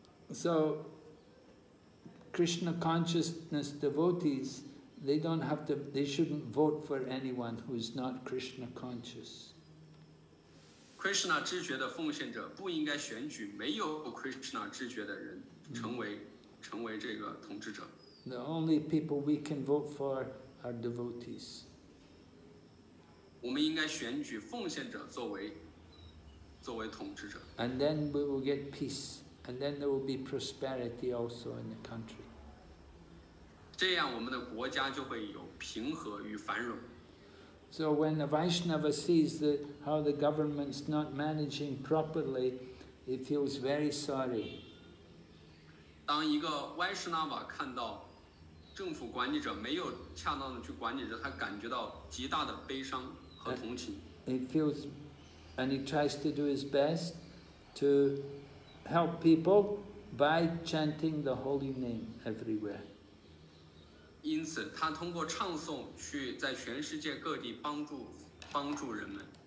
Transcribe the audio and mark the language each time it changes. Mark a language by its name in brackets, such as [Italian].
[English] So, Krishna consciousness devotees, they shouldn't vote for anyone who is not Krishna conscious. [Chinese] Krishna 知觉的奉献者不应该选举没有 Krishna 知觉的人成为这个统治者。 [English] The only people we can vote for are devotees. [Chinese] 我们应该选举奉献者作为统治者。 [English] And then we will get peace, and then there will be prosperity also in the country. [Chinese] 这样我们的国家就会有平和与繁荣。 [English] So when a Vaishnava sees how the government's not managing properly, he feels very sorry. [Chinese] 当一个 Vaishnava 看到政府管理者没有恰当的去管理着，他感觉到极大的悲伤和同情。 [English] And he tries to do his best to help people by chanting the holy name everywhere. [Chinese] 因此他通过唱诵去在全世界各地帮助人们。